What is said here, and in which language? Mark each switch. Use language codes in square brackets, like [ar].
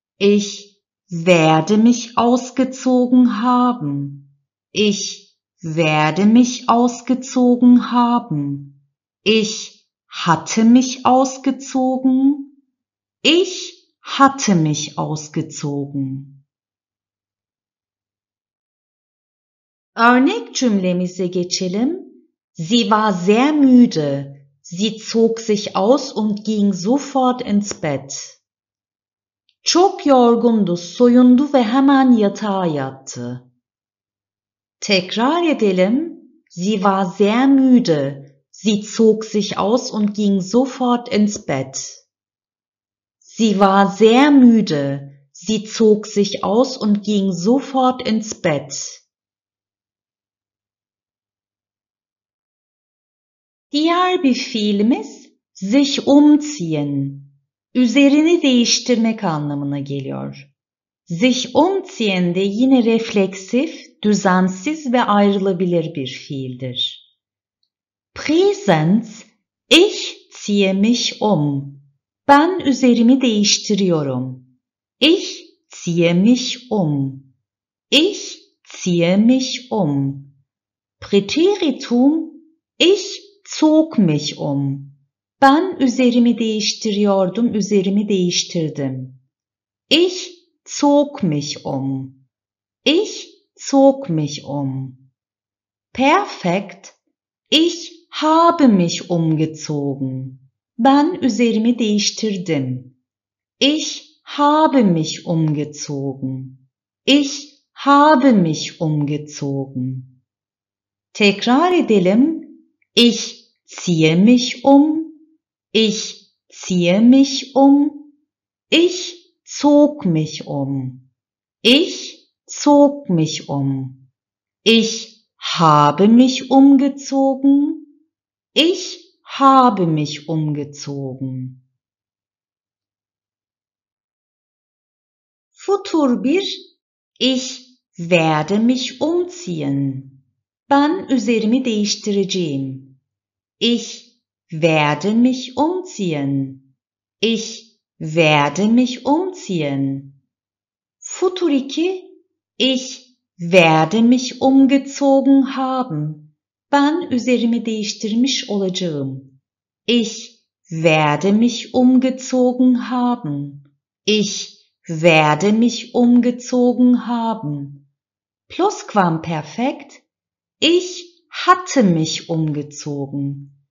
[de] Ich werde mich ausgezogen haben. Ich werde mich ausgezogen haben. Ich hatte mich ausgezogen. Ich hatte mich ausgezogen. [tr] Örnek cümlemize geçelim. [de] Sie war sehr müde. Sie zog sich aus und ging sofort ins Bett. [tr] Çok yorgundu, soyundu ve hemen yatağa yattı. Tekrar edelim. [de] Sie war sehr müde. Sie zog sich aus und ging sofort ins Bett. Sie war sehr müde. Sie zog sich aus und ging sofort ins Bett. [tr] Diğer bir fiilimiz sich umziehen. Üzerini değiştirmek anlamına geliyor. Sich umziehen de yine refleksif, düzensiz ve ayrılabilir bir fiildir. [de] Präsens, ich ziehe mich um. [tr] Ben üzerimi değiştiriyorum. [de] Ich ziehe mich um. Ich ziehe mich um. Präteritum, ich zog mich um. [tr] Ben üzerimi değiştiriyordum, üzerimi değiştirdim. [de] Ich zog mich um. Ich zog mich um. Perfekt, ich habe mich umgezogen. [tr] Ben üzerimi değiştirdim. [de] Ich habe mich umgezogen. Ich habe mich umgezogen. [tr] Tekrar edelim. [de] Ich ziehe mich um. Ich ziehe mich um. Ich zog mich um. Ich zog mich um. Ich habe mich umgezogen. Ich habe mich umgezogen. Futur bir, ich werde mich umziehen. [tr] Ben üzerimi değiştireceğim. [de] Ich werde mich umziehen. Ich werde mich umziehen. Futur iki, ich werde mich umgezogen haben. [tr] Ben üzerimi değiştirmiş olacağım. [de] Ich werde mich umgezogen haben. Ich werde mich umgezogen haben. Plusquamperfekt. Ich hatte mich umgezogen.